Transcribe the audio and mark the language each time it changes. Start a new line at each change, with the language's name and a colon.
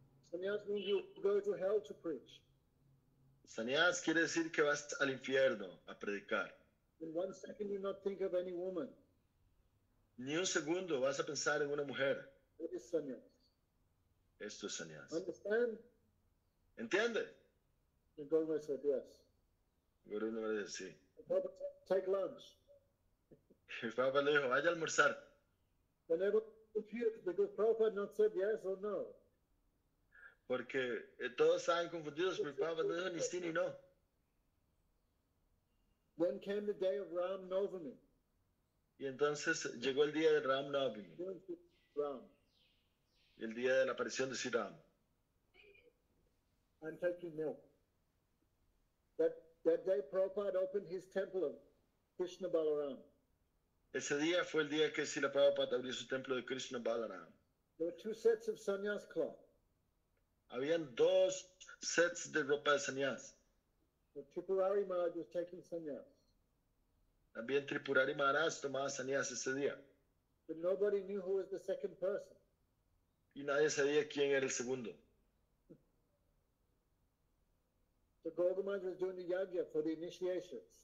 English: Sannyas means you go to hell to preach.
Spanish: Sannyas quiere decir que vas al infierno a predicar.
English: In one second you not think of any woman.
Spanish: Ni un segundo vas a pensar en una mujer.
English: That is sannyas.
Spanish: Esto es sannyas.
English: Understand?
Spanish: ¿Entiende?
English: The Guru said yes.
Spanish: Guru no me dice sí.
English: Take lunch.
Spanish: El Papa le dijo, vaya a almorzar.
English: And everyone confused because Prabhupada not said yes or no.
Spanish: Porque todos estaban confundidos, pero Prabhupada no dijo ni sí ni no.
English: Then came the day of Ram Novami.
Spanish: Y entonces llegó el día de Ram Novami.
English: Ram.
Spanish: El día de la aparición de Sidam.
English: I'm taking milk. That day Prabhupada opened his temple of Krishna Balaram.
Spanish: Ese día fue el día que Srila Prabhupada abrió su templo de Krishna Balaram.
English: There were two sets of sannyas cloth.
Spanish: Habían dos sets de ropa de sannyas.
English: Tripurari Maharaj was taking sannyas.
Spanish: También Tripurari Maharaj tomaba sannyas ese día.
English: But nobody knew who was the second person.
Spanish: Y nadie sabía quién era el segundo.
English: So Gauri Maharaj was doing the yagya for the initiations.